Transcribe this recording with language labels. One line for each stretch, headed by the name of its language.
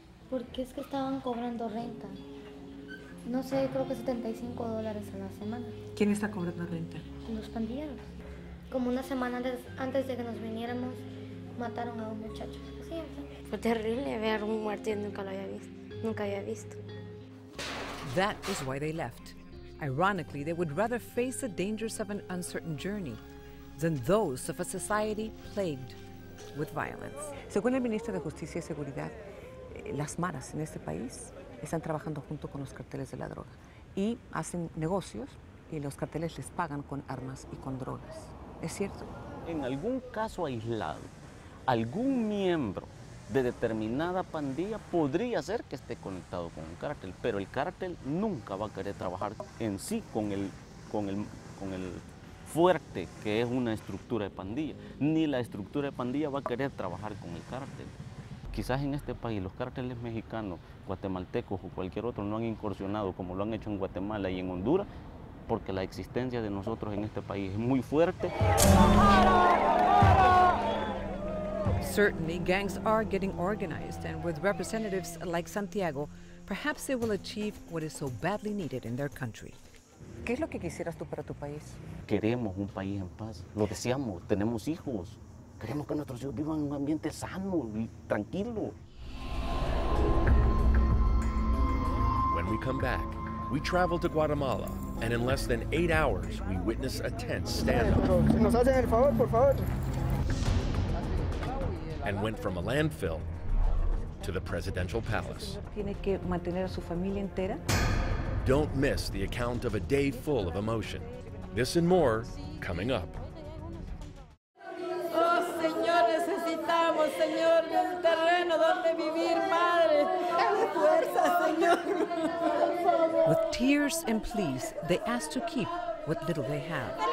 Spanish: Porque es que estaban cobrando renta. No sé, creo que $75 a la semana. ¿Quién está cobrando renta? Los pandilleros. Como una semana antes de que nos viniéramos, mataron a un muchacho. Sí, fue terrible ver un muerto y nunca lo había visto. Nunca había visto.
English: That is why they left. Ironically, they would rather face the dangers of an uncertain journey than those of a society plagued with violence.
Spanish: Según el ministro de Justicia y Seguridad, las maras en este país están trabajando junto con los carteles de la droga y hacen negocios y los carteles les pagan con armas y con drogas. ¿Es cierto? En algún caso aislado, algún miembro de determinada pandilla podría ser que esté conectado con un cártel, pero el cártel nunca va a querer trabajar en sí con el fuerte que es una estructura de pandilla, ni la estructura de pandilla va a querer trabajar con el cártel. Quizás en este país los cárteles mexicanos, guatemaltecos o cualquier otro no han incursionado como lo han hecho en Guatemala y en Honduras, porque la existencia de nosotros en este país es muy fuerte.
English: Certainly, gangs are getting organized, and with representatives like Santiago, perhaps they will achieve what is so badly needed in their country.
Spanish: ¿Qué es lo que quisieras tú para tu país? Queremos un país en paz. Lo deseamos. Tenemos hijos. Queremos que nuestros hijos vivan en un ambiente sano y tranquilo.
English: When we come back, we travel to Guatemala, and in less than 8 hours, we witness a tense standoff.
Spanish: Nos hacen el favor, por favor.
English: And went from a landfill to the presidential palace.
Spanish: Tiene que mantener a su familia entera.
English: Don't miss the account of a day full of emotion. This and more coming up.
Spanish: Oh, Señor, necesitamos, Señor, un terreno donde vivir, Padre. Dame fuerza, Señor.
English: With tears and pleas, they asked to keep what little they have.